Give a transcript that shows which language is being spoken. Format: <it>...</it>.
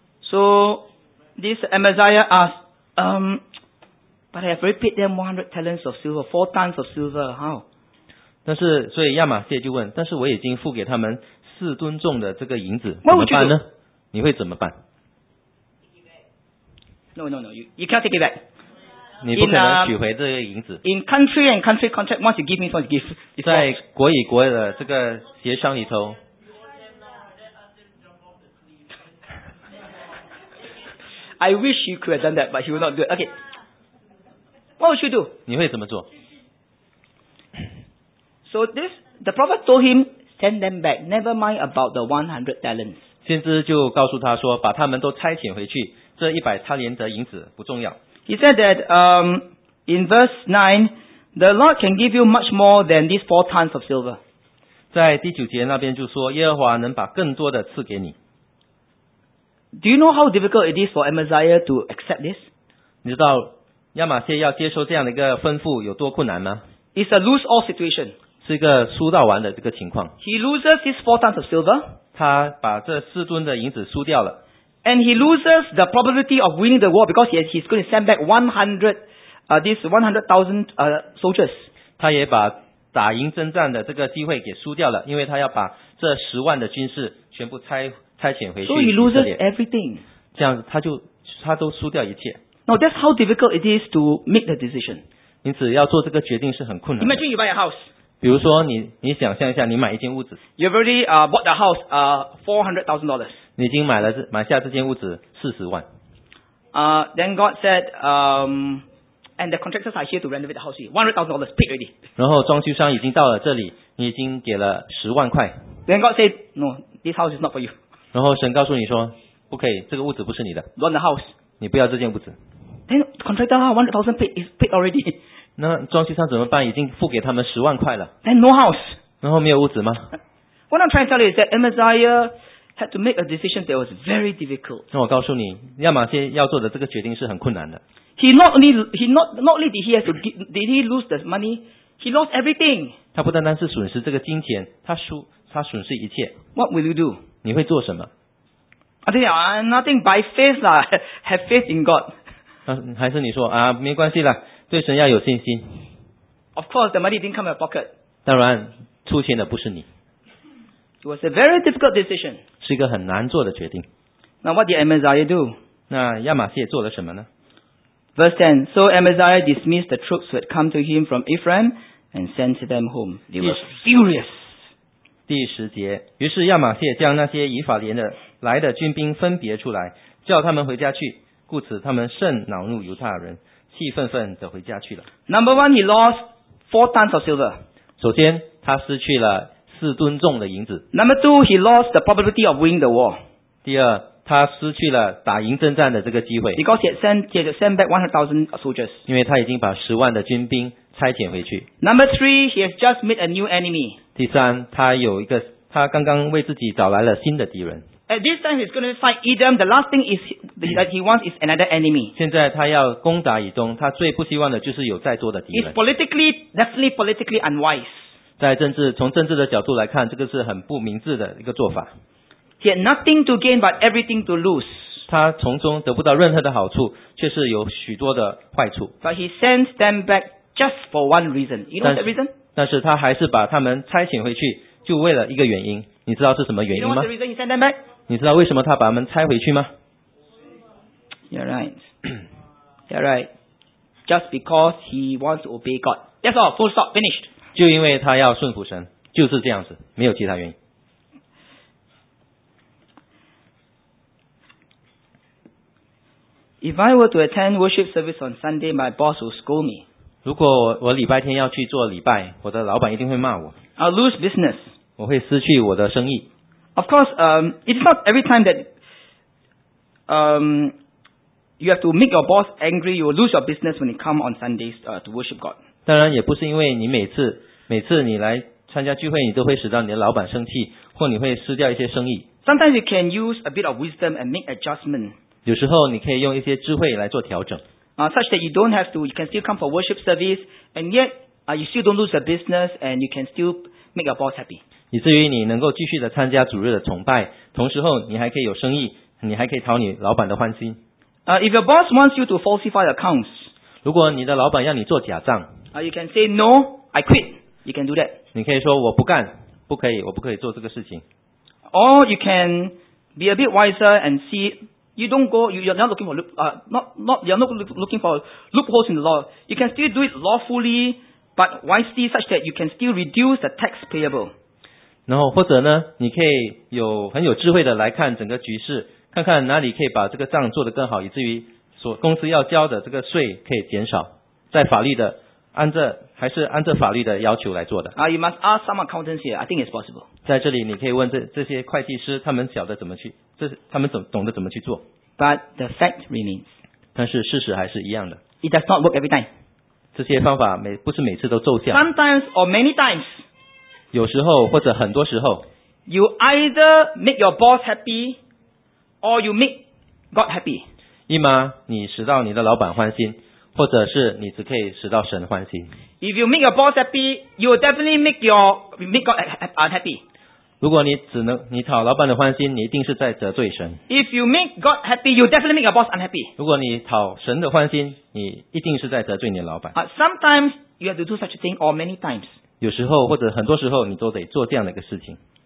<en>So this Amaziah asked, but I have already paid them 100 talents of silver, 4 tons of silver. How?</en> <zh>但是所以亚玛谢就问，但是我已经付给他们四吨重的这个银子，怎么办呢？你会怎么办</zh> <en>？No, you can't take it back.</en> <zh>你不可能取回这个银子。</zh> <en>In country and country contract, once you give me, once you give.</en> <zh>在国与国的这个协商里头。</zh> <en>I wish you could have done that, but he will not do it. Okay. What would you do?</en> <zh>你会怎么做</zh> <en>？So this, the prophet told him. Send them back. Never mind about the 100 talents.</en> <zh>先知就告诉他说，把他们都差遣回去。这一百他连德银子不重要。</zh> <en>He said that in verse 9, the Lord can give you much more than these 4 tons of silver.</en> <zh>在第九节那边就说，耶和华能把更多的赐给你。</zh> <en>Do you know how difficult it is for Amaziah to accept this?</en> <zh>你知道亚玛谢要接受这样的一个吩咐有多困难吗？</zh> <en>It's a lose all situation.</en> <zh>是一个输到完的这个情况。</zh> <en>He loses his 4 tons of silver.</en> <zh>他把这四吨的银子输掉了。</zh> <en>And he loses the probability of winning the war because he's going to send back 100,000 soldiers.</en> <zh>他也把打赢征战的这个机会给输掉了，因为他要把这十万的军士全部差遣回去。</zh> <en>So he loses everything.</en> <zh>这样子他都输掉一切。</zh> <en>Now that's how difficult it is to make the decision.</en> <zh>因此要做这个决定是很困难的。</zh> <en>Imagine you buy a house.</en> <zh>比如说你想象一下，你买一间屋子。</zh> <en>You've already bought the house $400,000.</en> <zh>你已经买下这间屋子40万。</zh> <en>Then God said, and the contractors are here to renovate the house. $100,000 paid already.</en> <zh>然后装修商已经到了这里，你已经给了10万块。</zh> <en>Then God said, no, this house is not for you.</en> <zh>然后神告诉你说，不可以，这个屋子不是你的。</zh> <en>Run the house.</en> <zh>你不要这间屋子。</zh> <en>Then contractor $100,000 paid already.</en> <zh>那装修商怎么办？已经付给他们十万块了。</zh> <en>Then no house.</en> <zh>然后没有屋子吗</zh> <en>？What I'm trying to tell you is that Amaziah had to make a decision that was very difficult.</en> <zh>那我告诉你，亚玛谢要做的这个决定是很困难的。</zh> <en>He not only did he lose the money, he lost everything.</en> <zh>他不单单是损失这个金钱，他损失一切。</zh> <en>What will you do?</en> <zh>你会做什么</zh> <en>？I think nothing by faith lah. Have faith in God.</en> <zh>还是你说啊，没关系啦。对神要有信心。</zh> <en>Of course, the money didn't come in your pocket.</en> <zh>当然，出钱的不是你。</zh> <en>It was a very difficult decision.</en> <zh>是一个很难做的决定。</zh> <en>Now, what did Amaziah do?</en> <zh>那亚玛谢做了什么呢</zh> <en>？Verse 10. So Amaziah dismissed the troops who had come to him from Ephraim and sent them home. They were furious.</en> <zh>第十节，于是亚玛谢将那些以法莲的来的军兵分别出来，叫他们回家去，故此他们甚恼怒犹太人。气愤愤地回家去了。</zh> <en>Number one, he lost 4 tons of silver.</en> <zh>首先，他失去了四吨重的银子。</zh> <en>Number two, he lost the probability of winning the war.</en> <zh>第二，他失去了打赢征战的这个机会。</zh> <en>Because he had sent back 100,000 soldiers.</en> <zh>因为他已经把十万的军兵差遣回去。</zh> <en>Number three, he has just made a new enemy.</en> <zh>第三，他有一个，他刚刚为自己找来了新的敌人。</zh> <en>At this time, he's going to fight Edom. The last thing is that he wants is another enemy.</en> <zh>现在他要攻打以东，他最不希望的就是有再多的敌人。</zh> <en>He's politically, definitely politically unwise.</en> <zh>在政治，从政治的角度来看，这个是很不明智的一个做法。</zh> <en>He had nothing to gain but everything to lose.</en> <zh>他从中得不到任何的好处，却是有许多的坏处。</zh> <en>But he sends them back just for one reason. You know the reason?</en> <zh>但是他还是把他们差遣回去，就为了一个原因。你知道是什么原因吗？</zh> <en>You know what's the reason he sent them back?</en> <zh>你知道为什么他把他们差回去吗？</zh> <en>You're right. You're right. Just because he wants to obey God. That's all. Full stop. Finished.</en> <zh>就因为他要顺服神，就是这样子，没有其他原因。</zh> <en>If I were to attend worship service on Sunday, my boss will scold me.</en> <zh>如果我礼拜天要去做礼拜，我的老板一定会骂我。</zh> <en>I'll lose business.</en> <zh>我会失去我的生意。</zh> <en>Of course, it's not every time that you have to make your boss angry, you will lose your business when you come on Sundays to worship God.</en> <zh>当然也不是因为你每次你来参加聚会，你都会使到你的老板生气，或你会失掉一些生意。</zh> <en>Sometimes you can use a bit of wisdom and make adjustment.</en> <zh>有时候你可以用一些智慧来做调整。</zh> <en>Such that you don't have to, you can still come for worship service, and yet, you still don't lose your business, and you can still make your boss happy.</en> <zh>以至于你能够继续的参加主日的崇拜，同时候你还可以有生意，你还可以讨你老板的欢心。</zh> <en>If your boss wants you to falsify accounts,</en> <zh>如果你的老板要你做假账，</zh> <en>you can say no, I quit. You can do that.</en> <zh>你可以说我不干，不可以，我不可以做这个事情。</zh> <en>Or you can be a bit wiser and see. You don't go. You're not looking for looking for loopholes in the law. You can still do it lawfully, but wisely, such that you can still reduce the tax payable.</en> <zh>然后或者呢，你可以有很有智慧的来看整个局势，看看哪里可以把这个账做得更好，以至于所公司要交的这个税可以减少，在法律的按着还是按着法律的要求来做的。</zh> <en>You must ask some accountants here. I think it's possible.</en> <zh>在这里你可以问这些会计师，他们晓得怎么去。他们懂得怎么去做。</zh> <en>But the fact remains.</en> <zh>但是事实还是一样的。</zh> <en>It does not work every time.</en> <zh>这些方法不是每次都奏效。</zh> <en>Sometimes or many times.</en> <zh>有时候或者很多时候。</zh> <en>You either make your boss happy or you make God happy.</en> <zh>一嘛，你使到你的老板欢心，或者是你只可以使到神欢心。</zh> <en>If you make your boss happy, you will definitely make God unhappy.</en> <zh>如果你讨老板的欢心，你一定是在得罪神。</zh> <en>If you make God happy, you definitely make your boss unhappy.</en> <zh>如果你讨神的欢心，你一定是在得罪你的老板。</zh> <en>Sometimes you have to do such a thing, or many times.</en> <zh>有时候或者很多时候，你都得做这样的一个事情。</zh>